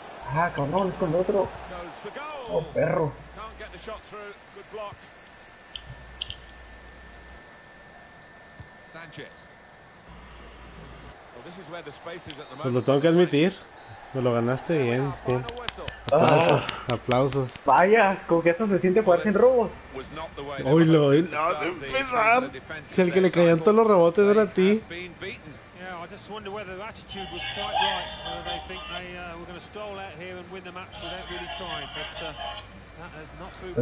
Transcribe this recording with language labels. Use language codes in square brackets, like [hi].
[es] Ah, cabrón, con el otro. Oh, perro. [en] Can't get the shot through. Good block. Sanchez. Well, this is where the space is at the moment. [es] Pues lo tengo que admitir. Me lo ganaste bien, bien. Aplausos, aplausos. Vaya, con que esto se siente jugar sin robos. Uy, lo no, de empezar. Si el que le caían todos los rebotes era a ti. [en] I just wonder whether their attitude was quite right, whether they think they were going to stroll out here and win the match without really trying, but that has not proved the